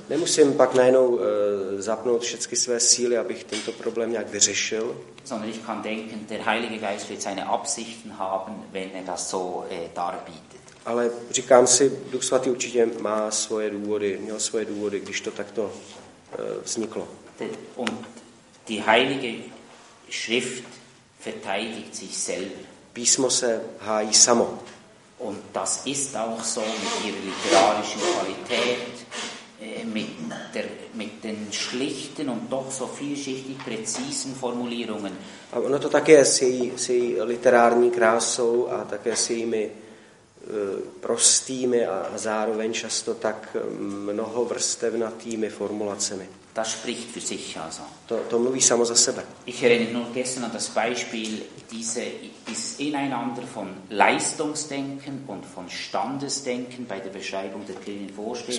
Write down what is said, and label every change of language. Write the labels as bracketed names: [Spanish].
[Czech] Nemusím pak najednou zapnout všechny své síly, abych tento problém nějak vyřešil. [German] Sondern ich kann denken, der Heilige Geist wird seine Absichten haben, wenn er das so darbietet. [Czech] Ale říkám si, Duch Svatý určitě má svoje důvody, měl svoje důvody, když to takto vzniklo. [German] Und die Heilige Schrift verteidigt sich selber. [Czech] Písmo se hájí samo. [German] Und das ist auch so mit ihrer literarischen Qualität, mit den schlichten und doch so vielschichtig präzisen Formulierungen. [Czech] A ono to také s její literární krásou a také s jejími prostými a zároveň často tak mnohovrstevnatými formulacemi. [German] das spricht für sich also. [Czech] To mluví samo za sebe. [German] Ich erinnere nur gestern an das Beispiel dieses ineinander von Leistungsdenken und von Standesdenken bei der Beschreibung der kleinen Vorsteher.